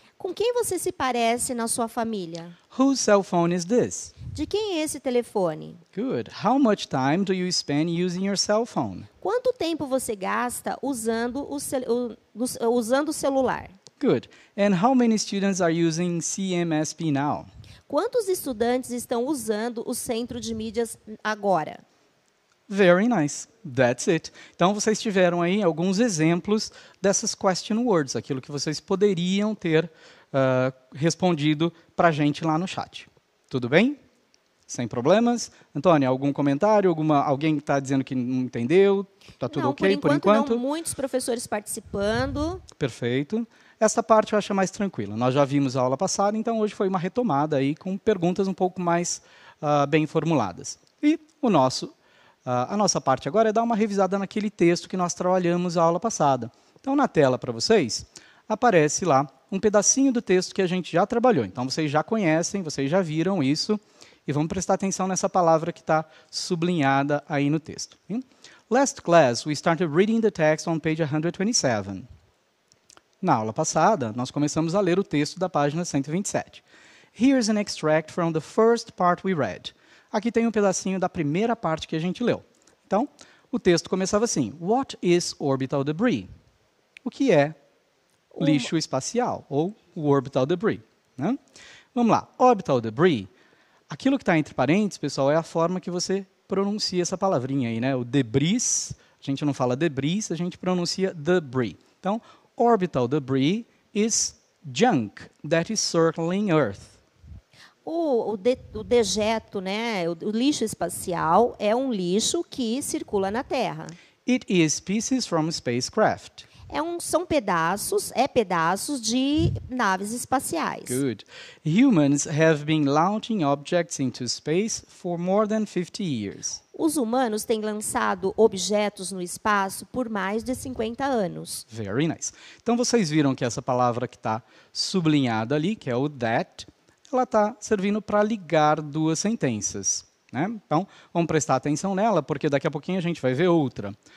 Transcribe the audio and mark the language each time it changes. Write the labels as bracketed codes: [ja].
[pt] Com quem você se parece na sua família? [en] Whose cell phone is this? [pt] De quem é esse telefone? [en] Good. How much time do you spend using your cell phone? [pt] Quanto tempo você gasta usando o celular? [en] Good. And how many students are using CMSP now? [pt] Quantos estudantes estão usando o centro de mídias agora? [en] Very nice. That's it. [pt] Então, vocês tiveram aí alguns exemplos dessas question words, aquilo que vocês poderiam ter respondido para a gente lá no chat. Tudo bem? Sem problemas? Antônia, algum comentário? Alguém que está dizendo que não entendeu? Está tudo não, ok, por enquanto? Não, muitos professores participando. Perfeito. Essa parte eu acho mais tranquila. Nós já vimos a aula passada, então hoje foi uma retomada aí com perguntas um pouco mais bem formuladas. E o nosso, a nossa parte agora é dar uma revisada naquele texto que nós trabalhamos a aula passada. Então, na tela para vocês, aparece lá um pedacinho do texto que a gente já trabalhou. Então, vocês já conhecem, vocês já viram isso. E vamos prestar atenção nessa palavra que está sublinhada aí no texto. [en] Last class, we started reading the text on page 127. [pt] Na aula passada, nós começamos a ler o texto da página 127. [en] Here's an extract from the first part we read. [pt] Aqui tem um pedacinho da primeira parte que a gente leu. Então, o texto começava assim. [en] What is orbital debris? [pt] O que é lixo espacial, ou orbital debris? Né? Vamos lá. Orbital debris, aquilo que está entre parênteses, pessoal, é a forma que você pronuncia essa palavrinha aí, né? O debris, a gente não fala debris, a gente pronuncia debris. [en] Então, orbital debris is junk that is circling Earth. [pt] O dejeto, né? O lixo espacial é um lixo que circula na Terra. [en] It is pieces from spacecraft. [pt] São pedaços de naves espaciais. [en] Good. Humans have been launching objects into space for more than 50 years. [pt] Os humanos têm lançado objetos no espaço por mais de 50 anos. [en] Very nice. [pt] Então, vocês viram que essa palavra que está sublinhada ali, que é o that, ela está servindo para ligar duas sentenças. Né? Então, vamos prestar atenção nela, porque daqui a pouquinho a gente vai ver outra.